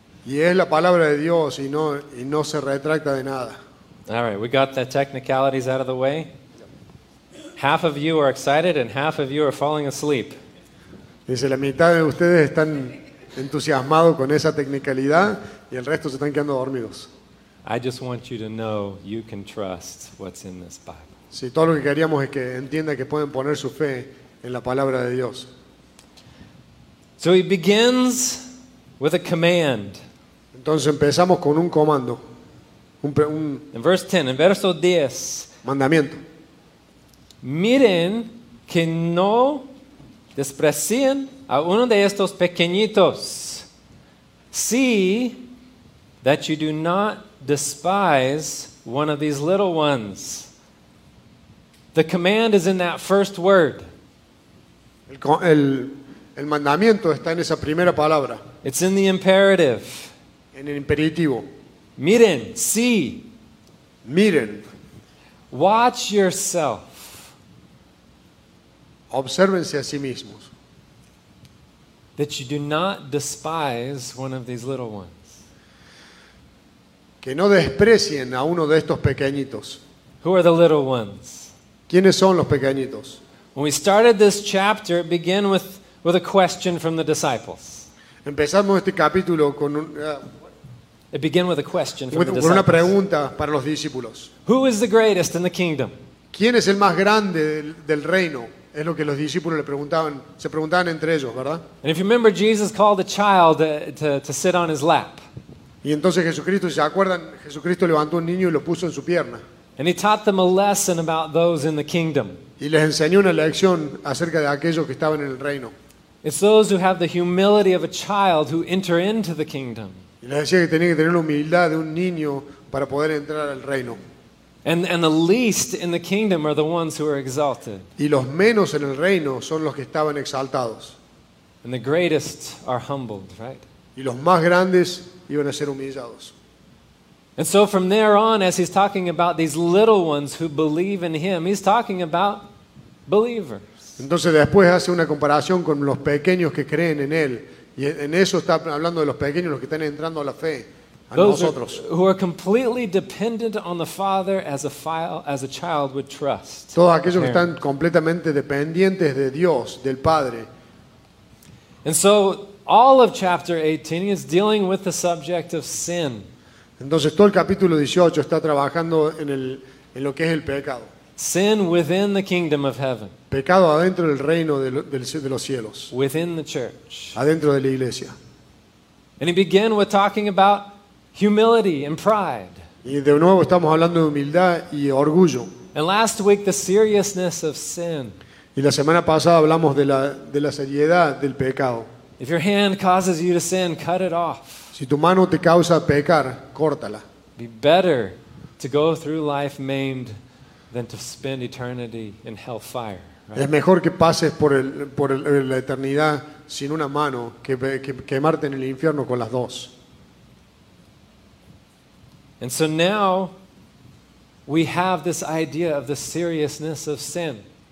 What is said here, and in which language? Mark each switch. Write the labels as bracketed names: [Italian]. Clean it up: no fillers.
[Spanish] Y es la palabra de Dios, y no se retracta de nada. [English] All right, we got the technicalities out of the way. Half of you are excited and half of you are falling asleep. [Spanish] Dice, la mitad de ustedes están entusiasmados con esa technicalidad y el resto se están quedando dormidos. [English] I just want you to know you can trust what's in this Bible. [Spanish] Sí, todo lo que queríamos es que entienda que pueden poner su fe en la palabra de Dios. [English] So he begins with a command. [Spanish] Entonces empezamos con un comando. [English] In verse 10, [Spanish] in verso 10, mandamiento. Miren que no desprecien a uno de estos pequeñitos. Si [English] that you do not despise one of these little ones. The command is in that first word. [Spanish] El mandamiento está en esa primera palabra. [English] It's in the imperative. [Spanish] En el imperativo. Miren, see. Miren. [English] Watch yourself. [Spanish] Obsérvense a sí mismos. [English] That you do not despise one of these little ones. [Spanish] Que no desprecien a uno de estos pequeñitos. [English] Who are the little ones? [Spanish] ¿Quiénes son los pequeñitos? [English] When we started this chapter, it began with a question from the disciples. [Spanish] Empezamos este capítulo con un, [English] it began with a question from the disciples. [Spanish] Con una pregunta para los discípulos. [English] Who is the greatest in the kingdom? [Spanish] ¿Quién es el más grande del reino? Es lo que los discípulos le preguntaban, se preguntaban entre ellos, ¿verdad? [English] And if you remember, Jesus called a child to sit on his lap. [Spanish] Y entonces Jesucristo, si se acuerdan, Jesucristo levantó un niño y lo puso en su pierna. [English] And he taught them a lesson about those in the kingdom. [Spanish] Y les enseñó una lección acerca de aquellos que estaban en el reino. [English] It's those who have the humility of a child who enter into the kingdom. [Spanish] Y les decía que tenían que tener la humildad de un niño para poder entrar al reino. [English] And the least in the kingdom are the ones who are exalted. [Spanish] Y los menos en el reino son los que estaban exaltados. [English] And the greatest are humbled, right? [Spanish] Y los más grandes iban a ser humillados. [English] And so from there on, as he's talking about these little ones who believe in him, he's talking about believers. [Spanish] Entonces después hace una comparación con los pequeños que creen en él. Y en eso está hablando de los pequeños, los que están entrando a la fe. [English] Those who are completely dependent on the Father as a child would trust. [Spanish] Todos aquellos que están completamente dependientes de Dios, del Padre. [English] And so all of chapter 18 is dealing with the subject of sin. [Spanish] Entonces todo el capítulo 18 está trabajando en lo que es el pecado. [English] Sin within the kingdom of heaven. [Spanish] Pecado adentro del reino de los cielos. [English] Within the church. [Spanish] Adentro de la iglesia. [English] And he began with talking about humility and pride. [Spanish] Y de nuevo estamos hablando de humildad y orgullo. [English] And last week the seriousness of sin. [Spanish] Y la semana pasada hablamos de la seriedad del pecado. [English] If your hand causes you to sin, cut it off. [Spanish] Si tu mano te causa pecar, córtala. [English] Be better to go through life maimed than to spend eternity in hellfire. Right? [Spanish] Es mejor que pases por la eternidad sin una mano que quemarte en el infierno con las dos. [English] And so now we have this idea of the seriousness of sin.